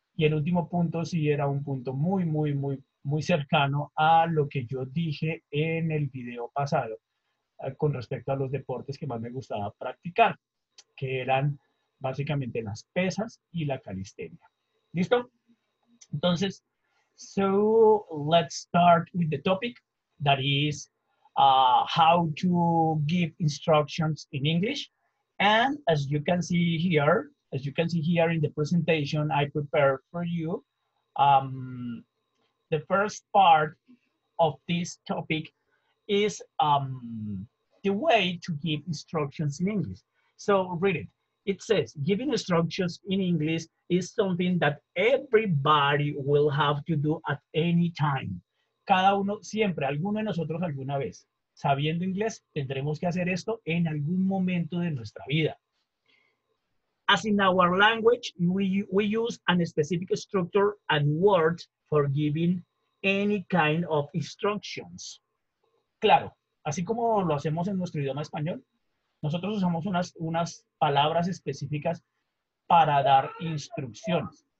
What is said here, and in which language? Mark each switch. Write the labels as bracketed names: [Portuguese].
[Spanish] Y el último punto sí era un punto muy, muy, muy, muy cercano a lo que yo dije en el video pasado con respecto a los deportes que más me gustaba practicar, que eran básicamente las pesas y la calistenia. ¿Listo? Entonces, [English] so let's start with the topic, that is how to give instructions in English. And as you can see here, as you can see here in the presentation I prepared for you, the first part of this topic is the way to give instructions in English. So read it. It says, giving instructions in English is something that everybody will have to do at any time. [Spanish] Cada uno, siempre, alguno de nosotros alguna vez, sabiendo inglés, tendremos que hacer esto en algún momento de nuestra vida. [English] As in our language, we use a specific structure and words for giving any kind of instructions. [Spanish] Claro, así como lo hacemos en nuestro idioma español, nosotros usamos unas palabras específicas para dar instrucciones.